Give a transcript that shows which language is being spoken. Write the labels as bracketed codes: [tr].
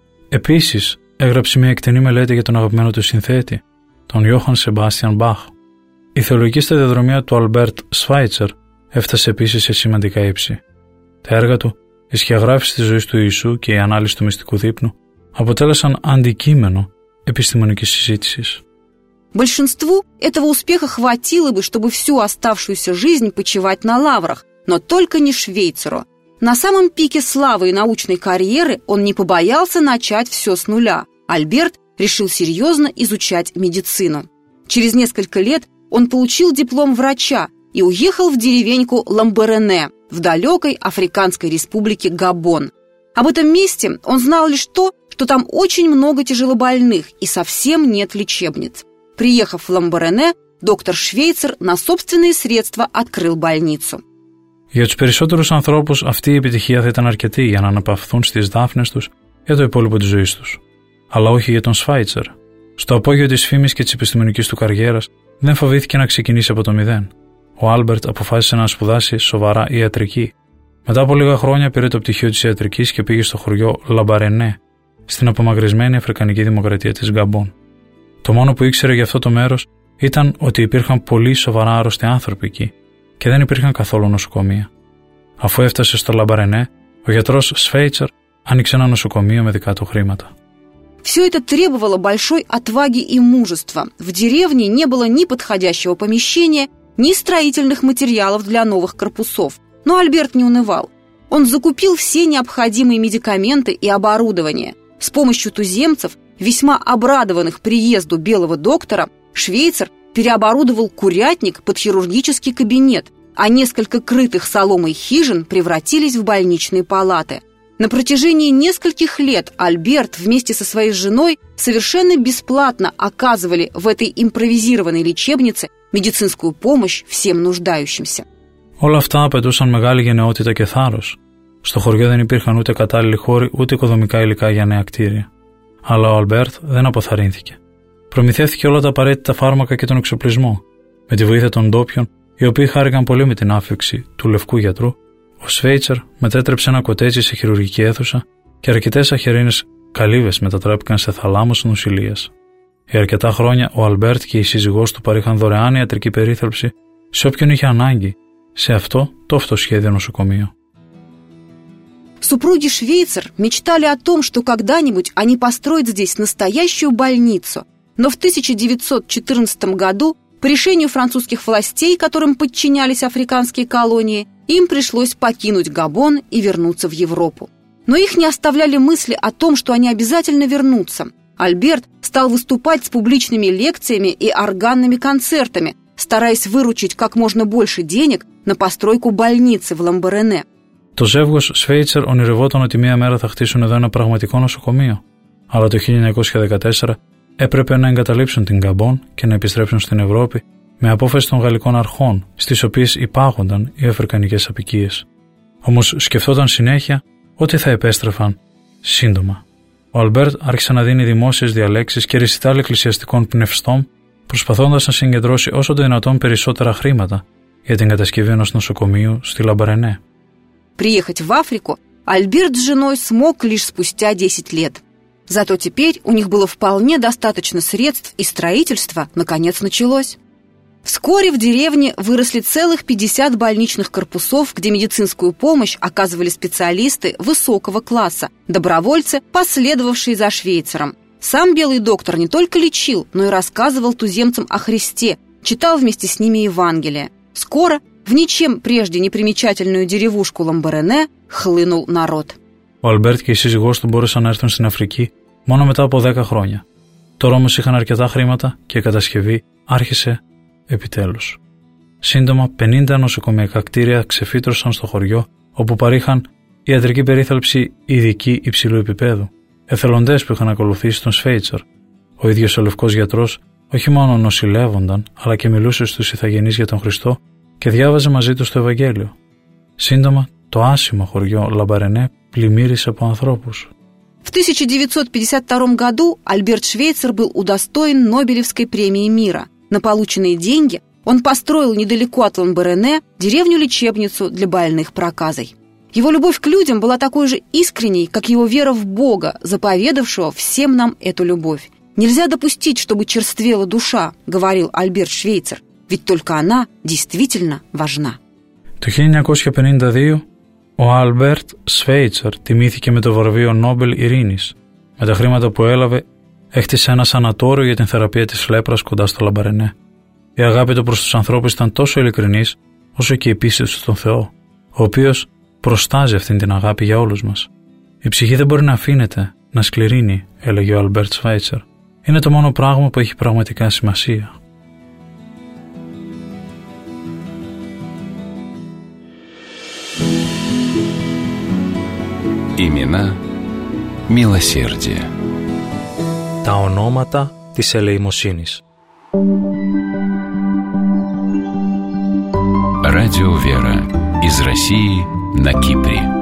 [el] Επίσης, έγραψε μια εκτενή μελέτη για τον αγαπημένο του συνθέτη, τον Johann Sebastian Bach. Η θεολογική σταδιοδρομία του Albert Schweitzer έφτασε επίσης σε σημαντικά ύψη. Τα έργα του, η σχεδιάγραφη της ζωής του Ιησού και η ανάλυση του μυστικού δείπνου, αποτέλεσαν αντικείμενο επιστημονικής συζήτησης. [ru] Большинству этого успеха хватило бы, чтобы всю оставшуюся жизнь почивать на лаврах, но только не Швейцару. На самом пике славы и научной карьеры он не побоялся начать все с нуля. Альберт решил серьезно изучать медицину. Через несколько лет он получил диплом врача и уехал в деревеньку Ламберене в далекой Африканской республике Габон. Об этом месте он знал лишь то, что там очень много тяжелобольных и совсем нет лечебниц. Приехав в Ламберене, доктор Швейцар на собственные средства открыл больницу. [el] Για τους περισσότερους ανθρώπους αυτή η επιτυχία θα ήταν αρκετή για να αναπαυθούν στις δάφνες τους για το υπόλοιπο της ζωής τους. Αλλά όχι για τον Σφάιτσερ. Στο απόγειο της φήμης και της επιστημονικής του καριέρας δεν φοβήθηκε να ξεκινήσει από το μηδέν. Ο Άλμπερτ αποφάσισε να σπουδάσει σοβαρά ιατρική. Μετά από λίγα χρόνια πήρε το πτυχίο της ιατρικής και πήγε στο χωριό Λαμπαρενέ, στην απομακρυσμένη Αφρικανική Δημοκρατία της Γκαμπών. Το μόνο που ήξερε για αυτό το μέρος ήταν ότι υπήρχαν πολύ σοβαρά άρρωστοι άνθρωποι εκεί. Και δεν υπήρχαν καθόλου νοσοκομεία. Αφού έφτασε στο Λαμπαρενέ, ο γιατρός Σφέιτσερ άνοιξε ένα νοσοκομείο με δικά του χρήματα. [ru] Все это требовало большой отваги и мужества. В деревне не было ни подходящего помещения, ни строительных материалов для новых корпусов. Но Альберт не унывал. Он закупил все необходимые медикаменты и оборудование. С помощью туземцев, весьма обрадованных приезду белого доктора, Швейцар переоборудовал курятник под хирургический кабинет, а несколько крытых соломой хижин превратились в больничные палаты. На протяжении нескольких лет Альберт вместе со своей женой совершенно бесплатно оказывали в этой импровизированной лечебнице медицинскую помощь всем нуждающимся. [el] Όλα αυτά απαιτούσαν μεγάλη γενναιότητα και θάρρος. Στο χωριό δεν υπήρχαν ούτε κατάλληλοι χώροι, ούτε οικοδομικά υλικά για νέα κτίρια. Αλλά ο Αλμπέρτ δεν αποθαρρύνθηκε. Προμηθεύθηκε όλα τα απαραίτητα φάρμακα και τον εξοπλισμό. Με τη βοήθεια των ντόπιων, οι οποίοι χάρηκαν πολύ με την άφηξη του λευκού γιατρού, ο Σφέιτσερ μετέτρεψε ένα κοτέτσι σε χειρουργική αίθουσα και αρκετές αχερίνες καλύβες μετατράπηκαν σε θαλάμους νοσηλείας. Για αρκετά χρόνια, ο Αλμπέρτ και η σύζυγός του παρήχαν δωρεάν ιατρική περίθαλψη σε όποιον είχε ανάγκη σε αυτό το φτωσχέδιο νοσοκομείο. [ru] Супруги Швейцар мечтали о том, что когда-нибудь они построят здесь настоящую больницу. Но в 1914 году, по решению французских властей, которым подчинялись африканские колонии, им пришлось покинуть Габон и вернуться в Европу. Но их не оставляли мысли о том, что они обязательно вернутся. Альберт стал выступать с публичными лекциями и органными концертами, стараясь выручить как можно больше денег на постройку больницы в Ламберене. [el] Το ζεύγος Σφέιτσερ ονειρευόταν ότι μία μέρα θα χτίσουν εδώ ένα πραγματικό νοσοκομείο. Αλλά το 1914 έπρεπε να εγκαταλείψουν την Γκαμπόν και να επιστρέψουν στην Ευρώπη με απόφαση των γαλλικών αρχών, στις οποίες υπάγονταν οι αφρικανικές αποικίες. Όμως σκεφτόταν συνέχεια ότι θα επέστρεφαν σύντομα. Ο Αλμπέρτ άρχισε να δίνει δημόσιες διαλέξεις και ρεσιτάλ εκκλησιαστικών πνευστών, προσπαθώντας να συγκεντρώσει όσο το δυνατόν περισσότερα χρήματα για την κατασκευή ενός νοσοκομείου στη Λαμπαρενέ. [ru] Приехать в Африку Альберт с женой смог лишь спустя 10 лет. Зато теперь у них было вполне достаточно средств, и строительство наконец началось. Вскоре в деревне выросли целых 50 больничных корпусов, где медицинскую помощь оказывали специалисты высокого класса, добровольцы, последовавшие за Швейцаром. Сам белый доктор не только лечил, но и рассказывал туземцам о Христе, читал вместе с ними Евангелие. Скоро в ничем прежде непримечательную деревушку Ламбарене хлынул народ. [el] Ο Αλμπέρτ και η σύζυγός του μπόρεσαν να έρθουν στην Αφρική μόνο μετά από 10 χρόνια. Τώρα όμως είχαν αρκετά χρήματα και η κατασκευή άρχισε επιτέλους. Σύντομα, 50 νοσοκομιακά κτίρια ξεφύτρωσαν στο χωριό, όπου παρήχαν ιατρική περίθαλψη ειδική υψηλού επίπεδου, εθελοντές που είχαν ακολουθήσει τον Σφέιτσορ. Ο ίδιος ο λευκός γιατρός όχι μόνο νοσηλεύονταν, αλλά και μιλούσε στους ηθαγενείς για τον Χριστό και διάβαζε μαζί τους το Ευαγγέλιο. Σύντομα, το άσημο χωριό Λαμπαρενέ πλημμύρισε από ανθρώπους. [ru] В 1952 году Альберт Швейцер был удостоен Нобелевской премии мира. На полученные деньги он построил недалеко от Ламбарене деревню-лечебницу для больных проказой. Его любовь к людям была такой же искренней, как его вера в Бога, заповедавшего всем нам эту любовь. «Нельзя допустить, чтобы черствела душа», — говорил Альберт Швейцер, «ведь только она действительно важна». [el] В 1952 ο Άλμπερτ Σφέιτσερ τιμήθηκε με το βραβείο Νόμπελ Ειρήνης. Με τα χρήματα που έλαβε, έχτισε ένα σανατόριο για την θεραπεία της λέπρας κοντά στο Λαμπαρενέ. Η αγάπη του προς τους ανθρώπους ήταν τόσο ειλικρινής, όσο και η πίστη του στον Θεό, ο οποίος προστάζει αυτήν την αγάπη για όλους μας. «Η ψυχή δεν μπορεί να αφήνεται να σκληρύνει», έλεγε ο Άλμπερτ Σφέιτσερ. «Είναι το μόνο πράγμα που έχει πραγματικά σημασία». [ru] Имена милосердия. [el] Τα ονόματα της ελεημοσύνης. [ru] Радио Вера из России на Кипре.